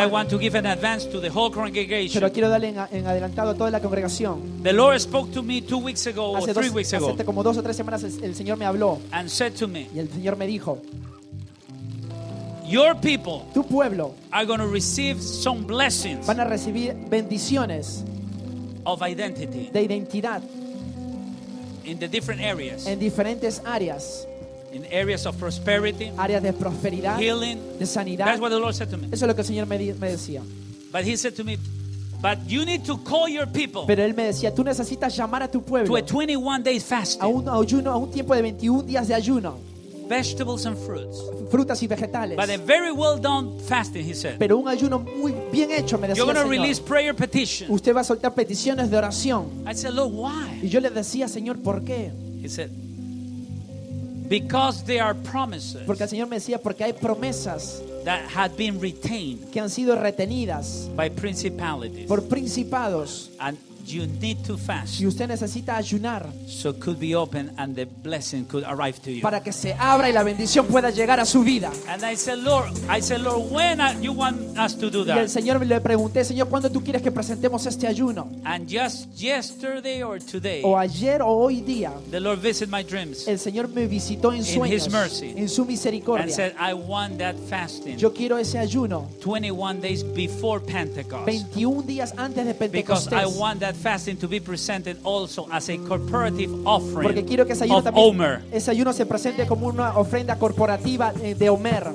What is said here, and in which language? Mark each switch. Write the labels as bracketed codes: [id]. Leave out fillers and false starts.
[en] But I want to give an advance to the whole congregation. [es] Pero quiero darle en adelantado a toda la congregación. [en] The Lord spoke to me 2 weeks ago or 3 weeks ago. [es] Hace como 2 o 3 semanas el Señor me habló. [en] And said to me. [es] Y el Señor me dijo. [en] Your people. [es] Tu pueblo. [en] Are going to receive some blessings. [es] Van a recibir bendiciones. [en] Of identity. [es] De identidad. [en] In the different areas. [es] En diferentes áreas. [en] In areas of prosperity, [es] áreas de prosperidad, [en] healing, [es] de sanidad. [en] That's what the Lord said to me. [es] Eso es lo que el Señor me decía. [en] But He said to me, "But you need to call your people." [es] Pero él me decía, tú necesitas llamar a tu pueblo. [en] To a 21 days fasting. [es] A un ayuno, a un tiempo de 21 días de ayuno. [en] Vegetables and fruits. [es] Frutas y vegetales. [en] But a very well done fasting, he said. [es] Pero un ayuno muy bien hecho, me decía. [en] You're going to release prayer petitions. [es] Usted va a soltar peticiones de oración. [en] I said, "Lord, why?" [es] Y yo le decía, Señor, ¿por qué? [en] He said. Because they are promises. [es] Porque el Señor me decía porque hay promesas [en] that had been retained [es] que han sido retenidas [en] by principalities [es] por principados [en] and You need to fast. [es] Y usted necesita ayunar. [en] So it could be open and the blessing could arrive to you. [es] Para que se abra y la bendición pueda llegar a su vida. [en] And I said, Lord, when you want us to do that? [es] Y el Señor le pregunté, Señor, ¿cuándo tú quieres que presentemos este ayuno? [en] And just yesterday or today. [es] O ayer o hoy día. [en] The Lord visited my dreams. [es] El Señor me visitó en sueños. [en] In His mercy. [es] En su misericordia. [en] And said, I want that fasting. [es] Yo quiero ese ayuno. [en] 21 days before Pentecost. [es] 21 días antes de Pentecostés. [en] Because I want that fasting to be presented also as a corporative offering. [es] Porque quiero que ese ayuno también, ese ayuno se presente como una ofrenda corporativa de Omer.